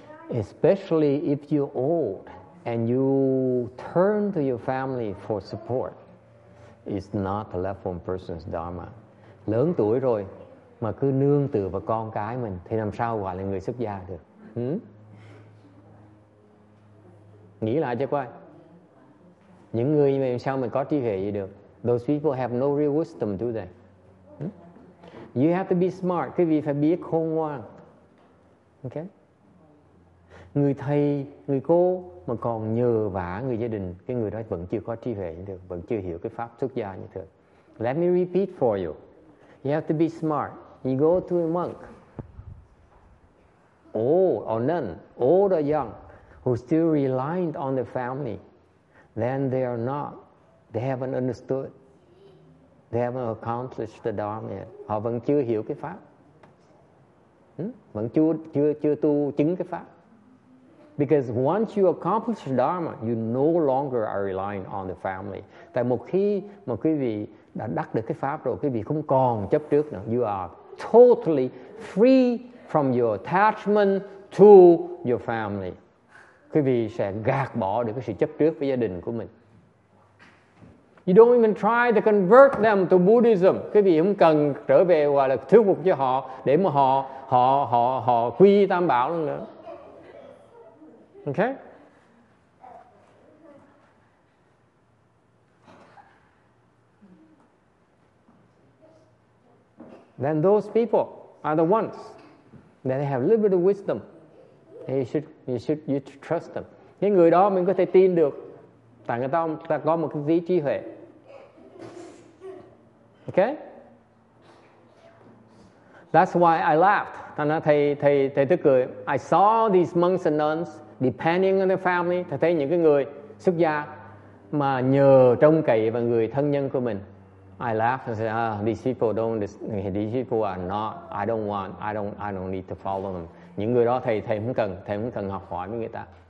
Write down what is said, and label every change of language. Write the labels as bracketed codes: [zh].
[en] Especially if you're old and you turn to your family for support, it's not a left home person's dharma. [vi] Lớn tuổi rồi mà cứ nương tựa vào con cái mình thì làm sao gọi là người xuất gia được? Nghĩ lại cho coi. Những người như vậy làm sao mình có trí huệ gì được? [en] Those people have no real wisdom, do they? You have to be smart. [vi] Quý vị phải biết khôn ngoan. Okay? Người thầy, người cô mà còn nhờ vả người gia đình, cái người đó vẫn chưa có trí huệ như thế, vẫn chưa hiểu cái pháp xuất gia như thế. [en] Let me repeat for you. You have to be smart. You go to a monk, old or nun, old or young, who still reliant on the family, then they are not. They haven't understood. They haven't accomplished the dharma yet. [vi] Họ vẫn chưa hiểu cái pháp. Vẫn chưa tu chứng cái pháp. [en] Because once you accomplish dharma, you no longer are relying on the family. [vi] Tại một khi mà quý vị đã đắc được cái pháp rồi, quý vị không còn chấp trước nữa. [en] You are totally free from your attachment to your family. [vi] Quý vị sẽ gạt bỏ được cái sự chấp trước với gia đình của mình. [en] You don't even try to convert them to Buddhism. [vi] Quý vị không cần trở về hoặc là thuyết phục cho họ để mà họ quy tam bảo luôn nữa. Okay? [en] Then those people are the ones that they have a little bit of wisdom. And you should trust them. [vi] Cái người đó mình có thể tin được. Tại người ta có một cái trí huệ. Okay? [en] That's why I laughed. [vi] Thành ra thầy tức cười. [en] I saw these monks and nuns depending on their family. [vi] Thầy thấy những cái người xuất gia mà nhờ trông cậy vào người thân nhân của mình. [en] I laughed and said, I don't need to follow them. [vi] Những người đó thầy không cần học hỏi với người ta.